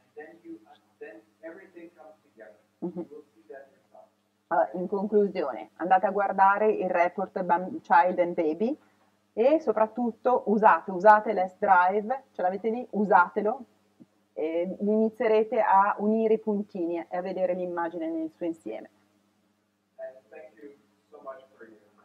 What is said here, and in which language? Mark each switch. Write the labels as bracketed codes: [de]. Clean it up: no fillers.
[en] And then everything comes together. You will see that yourself. [it] In conclusione, andate a guardare il report Child and Baby e soprattutto usate l'S Drive, ce l'avete lì? Usatelo e inizierete a unire i puntini e a vedere l'immagine nel suo insieme. [en] Thank you so much for your